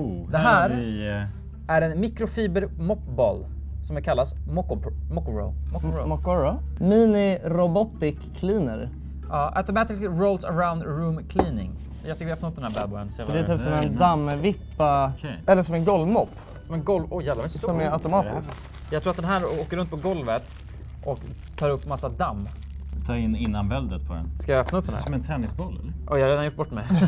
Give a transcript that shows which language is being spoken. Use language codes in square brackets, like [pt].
[sv] Det här är en mikrofiber mopball som kallas Mokoro. [en] Mini robotic cleaner. Automatically rolls around room cleaning. [sv] Jag tycker vi har fått den här bad boyen. Så det är typ som en dammvippa, eller som en golvmopp. Som en golv, oh jävlar, som är automatisk. Jag tror att den här åker runt på golvet och tar upp massa damm. Ta in innanväldet på den. Ska jag öppna upp den här? Som en tennisboll eller? Oh, jag har redan gjort bort mig.